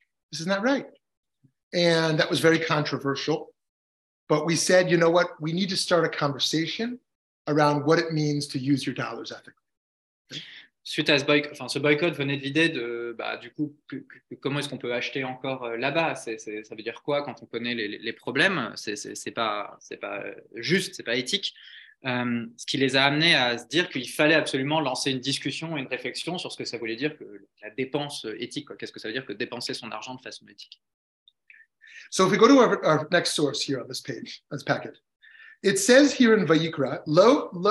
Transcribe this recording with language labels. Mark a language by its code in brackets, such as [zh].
[en] This is not right. And that was very controversial. But we said, you know what, we need to start a conversation around what it means to use your dollars ethically. Okay? [fr] Suite à ce boycott, enfin, ce boycott venait de l'idée de, bah, du coup, comment est-ce qu'on peut acheter encore là-bas? Ça veut dire quoi quand on connaît les problèmes? C'est pas juste, c'est pas éthique. Ce qui les a amenés à se dire qu'il fallait absolument lancer une discussion, une réflexion sur ce que ça voulait dire que la dépense éthique. Quoi. Qu'est-ce que ça veut dire que dépenser son argent de façon éthique? [en] So if we go to our next source here on this page, this packet, it says here in Vayikra, low.